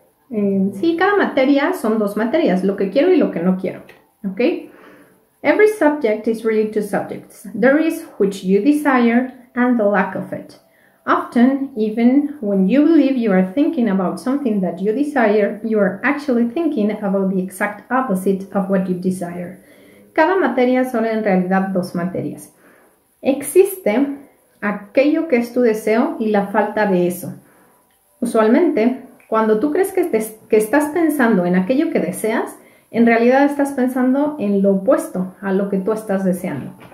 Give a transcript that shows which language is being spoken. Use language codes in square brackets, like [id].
[es] cada materia son dos materias, lo que quiero y lo que no quiero, ¿ok? [en] Every subject is really two subjects. There is which you desire and the lack of it. Often, even when you believe you are thinking about something that you desire, you are actually thinking about the exact opposite of what you desire. [es] Cada materia son en realidad dos materias. Existe aquello que es tu deseo y la falta de eso. Usualmente, cuando tú crees que estás pensando en aquello que deseas, en realidad estás pensando en lo opuesto a lo que tú estás deseando.